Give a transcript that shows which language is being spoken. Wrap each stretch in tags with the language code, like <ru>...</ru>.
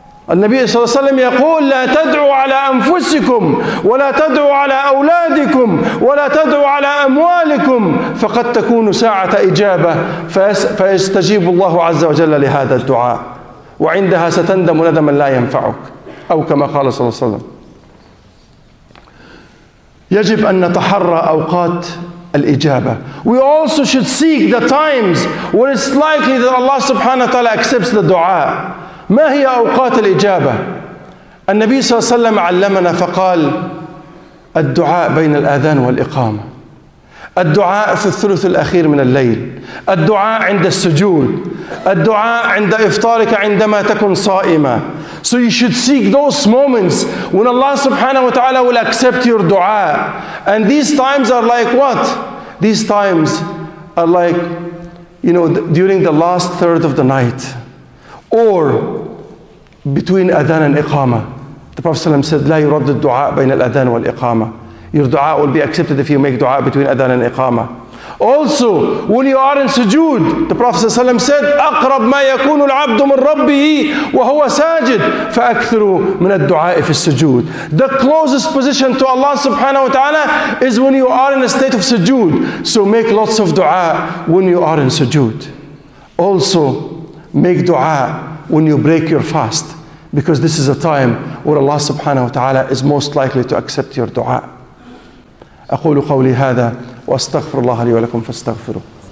<ar>النبي صلى الله عليه وسلم يقول: لا تدعوا على أنفسكم، ولا تدعوا على أولادكم، ولا تدعوا على أموالكم، فقد تكون ساعة إجابة، فيستجيب الله عز وجل لهذا الدعاء، وعندها ستندم ندما لا ينفعك، أو كما قال صلى الله عليه وسلم. يجب أن نتحرى أوقات الإجابة.</ar> <en>We also should seek the times when it's likely that Allah subhanahu wa ta'ala accepts the dua.</en> <ar>ما هي أوقات الإجابة؟ النبي صلى الله عليه وسلم علمنا فقال: الدعاء بين الأذان والإقامة، الدعاء في الثلث الأخير من الليل، الدعاء عند السجود، الدعاء عند إفطارك عندما تكون صائمة.</ar> <en>So you should seek those moments when Allah subhanahu wa ta'ala will accept your dua. And these times are like what? These times are like, you know, during the last third of the night, or between adhan and iqama. The Prophet sallallahu alaihi wasallam said,</en> <ar>لا يرد الدعاء بين الأذان والإقامة.</ar> <en>Your dua will be accepted if you make dua between adhan and iqama. Also, when you are in sujood, the Prophet ﷺ said,</en> <ar>أقرب ما يكون العبد من ربه وهو ساجد فأكثر من الدعاء في السجود.</ar> <en>The closest position to Allah subhanahu wa ta'ala is when you are in a state of sujood. So make lots of dua when you are in sujood. Also, make dua when you break your fast, because this is a time where Allah subhanahu wa ta'ala is most likely to accept your dua.</en> <ar>أقول قولي هذا وأستغفر الله لي ولكم فاستغفروا.</ar>